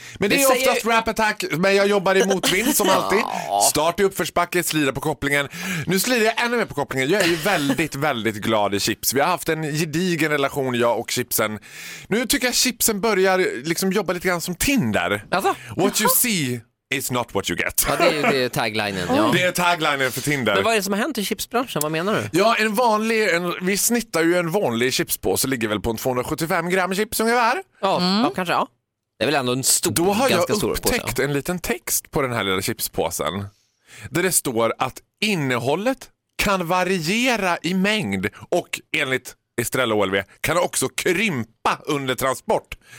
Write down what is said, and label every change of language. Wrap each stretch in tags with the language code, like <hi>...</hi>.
<sv>Men det är säger oftast Rap Attack, men jag jobbar i motvind som alltid. Start i uppförsbacke, slida på kopplingen. Nu slider jag ännu mer på kopplingen. Jag är ju väldigt, väldigt glad i chips. Vi har haft en gedigen relation, jag och chipsen. Nu tycker jag chipsen börjar liksom jobba lite grann som Tinder. Alltså,</sv> <en>what you see it's not what you get.</en> <sv>Ja, det är taglinen. Ja. Det är taglinen för Tinder. Men vad är det som har hänt i chipsbranschen? Vad menar du? Ja, vi snittar ju en vanlig chipspåse ligger väl på en 275 gram chips ungefär. Ja, kanske. Det är väl ändå en stor, då har ganska jag stor upptäckt påse. En liten text på den här lilla chipspåsen. Där det står att innehållet kan variera i mängd och enligt Estrella OLV kan också krympa under transport.</sv>